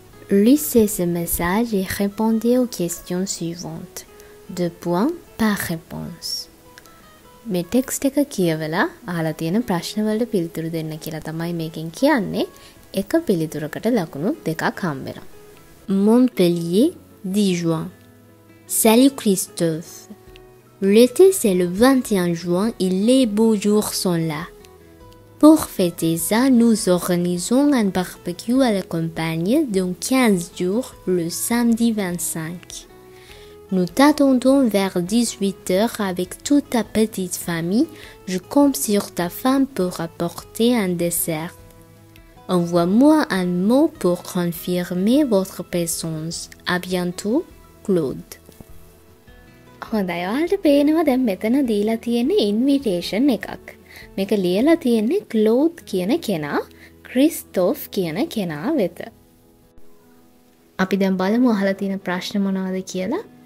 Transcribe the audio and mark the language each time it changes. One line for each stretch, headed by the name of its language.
French: Lisez ce message et répondez aux questions suivantes. 2 points par réponse.
Sinhala: මේ text එක කියවලා අහලා තියෙන ප්‍රශ්න වලට පිළිතුරු දෙන්න කියලා තමයි මේකෙන් කියන්නේ. එක පිළිතුරකට ලකුණු දෙකක් හම්බෙනවා.
French: Montpellier 10 juin. Salut Christophe. L'été c'est le 21 juin et les beaux jours sont là. Pour fêter ça, nous organisons un barbecue à la campagne dans 15 jours le samedi 25. Nous t'attendons vers 18h avec toute ta petite famille. Je compte sur ta femme pour apporter un dessert. Envoie-moi un mot pour confirmer votre présence. À bientôt, Claude.
Sinhala: හොඳයි, ඔයාලට පේනවා දැන් මෙතන දීලා තියෙන invitation එකක්. මේක ලියලා තියෙන්නේ ක්ලෝත් කියන කෙනා, ක්‍රිස්තොෆ් කියන කෙනා වෙත. අපි දැන් බලමු අහලා තියෙන ප්‍රශ්න මොනවද කියලා.